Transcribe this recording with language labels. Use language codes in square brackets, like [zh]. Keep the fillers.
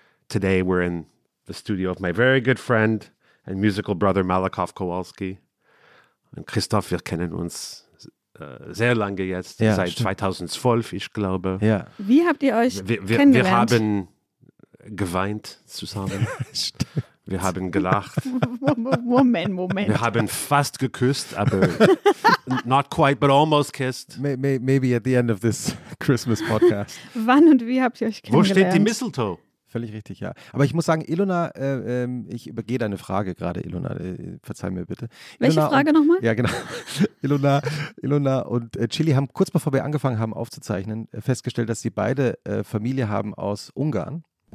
[en] Today we're in the studio of my very good friend and musical brother Malakoff Kowalski. [de] Und Christoph, wir kennen uns sehr lange jetzt, ja, seit stimmt. 2012, ich glaube. Ja. Wie habt ihr euch wir, wir, kennengelernt? Wir haben geweint zusammen. wir haben gelacht. Moment, Moment. Wir haben fast geküsst, aber [en] not quite, but almost kissed. May, may, maybe at the end of this Christmas podcast. [de] Wann und wie habt ihr euch kennengelernt? Wo steht die Mistletoe? völlig richtig, ja. Aber ich muss sagen, Ilona, äh, ich übergehe deine Frage gerade, Ilona, äh, verzeih mir bitte. Ilona Welche Ilona Frage nochmal? Ja, genau. Ilona, Ilona und äh, Chili haben kurz bevor wir angefangen haben aufzuzeichnen, festgestellt, dass sie beide Familie haben aus Ungarn.